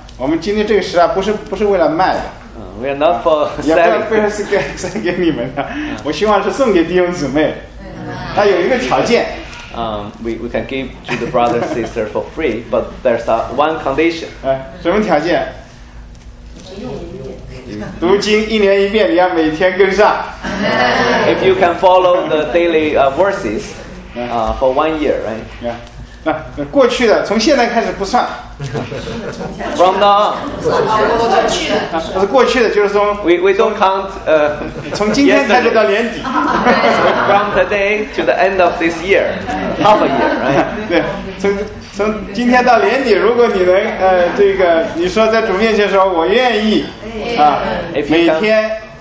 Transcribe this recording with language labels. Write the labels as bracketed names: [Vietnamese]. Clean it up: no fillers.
[Chinese] 我们今天这个时啊，不是为了卖的。 [English] We are not for selling. [Chinese] 也不要是给你们的，我希望是送给弟兄姊妹。它有一个条件。 [English] We can give to the brother and sister for free, but there's one condition. [Chinese] 什么条件？读经一年一遍，你要每天跟上。 [English] If you can follow the daily verses, for 1 year, right? Yeah. [Chinese] 那过去的从现在开始不算。 [English] From now on, [Chinese] 不是过去的，就是从 [English] we don't count [Chinese] 从今天开始到年底。 [English] From today to the end of this year, half a year, right? [Chinese] 对，从今天到年底，如果你能这个你说在主面前说我愿意每天。